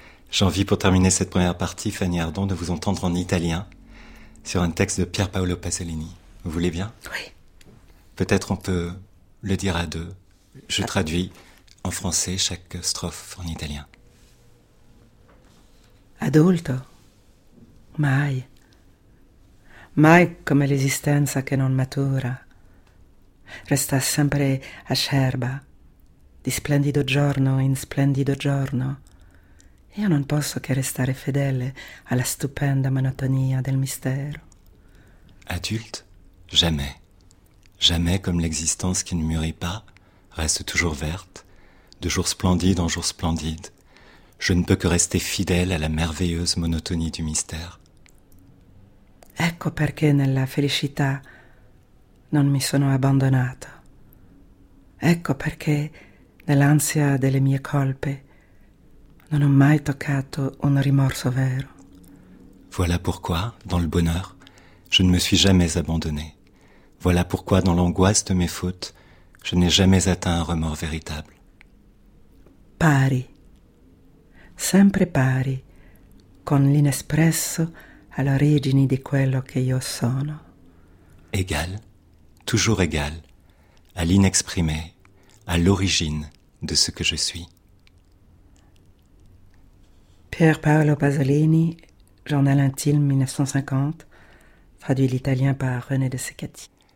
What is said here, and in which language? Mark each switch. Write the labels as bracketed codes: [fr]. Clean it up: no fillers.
[fr] J'ai envie, pour terminer cette première partie, Fanny Ardant, de vous entendre en italien sur un texte de Pier Paolo Pasolini. Vous voulez bien? Oui. Peut-être on peut le dire à deux. Je traduis en français chaque strophe en italien. [it] Adulto, mai, mai come l'esistenza che non matura, resta sempre acerba, di splendido giorno in splendido giorno. Io non posso che restare fedele alla stupenda monotonia del mistero. [fr] Adulte, jamais, jamais comme l'existence qui ne mûrit pas, reste toujours verte, de jour splendide en jour splendide. Je ne peux que rester fidèle à la merveilleuse monotonie du mystère. [it] Ecco perché nella felicità non mi sono abbandonato. Ecco perché nell'ansia delle mie colpe non ho mai toccato un rimorso vero. [fr] Voilà pourquoi, dans le bonheur, je ne me suis jamais abandonné. Voilà pourquoi, dans l'angoisse de mes fautes, je n'ai jamais atteint un remords véritable. [it] Pari. Sempre pari con l'inespresso all'origine di quello che io sono. [fr] Égal, toujours égal, à l'inexprimé, à l'origine de ce que je suis. Pier Paolo Pasolini, journal intime 1950, traduit l'italien par René de Secati.